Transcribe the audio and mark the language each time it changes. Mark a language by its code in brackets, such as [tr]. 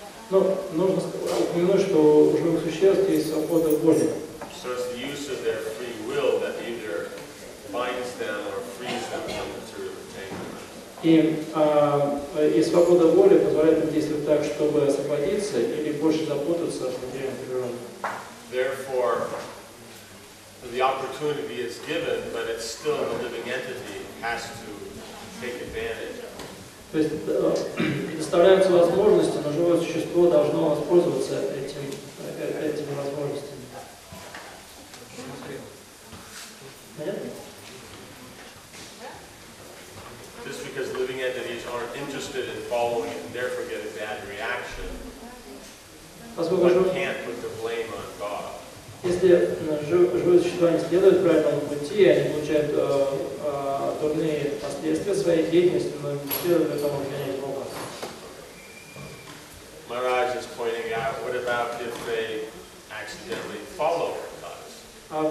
[ru] Ну, нужно упомянуть, что у живых существ есть свобода воли. [en] So it's the use of their free will that either binds them or frees them from material attainment. [ru] И свобода воли позволяет им действовать так, чтобы освободиться или больше запутаться в материальной природе. [en] Therefore, the opportunity is given, but it's still the living entity has to take advantage of. [ru] То есть предоставляются возможности, но живое существо должно воспользоваться этими возможностями. [en] Just because living entities aren't interested in following and therefore get a bad reaction, one can't put the blame on God. [ru] Если живые существа не следуют правильному пути, они получают дурные последствия своей деятельности, но не следуют этому обвинять Бога. [en] Махарадж is pointing out, what about if they accidentally follow God?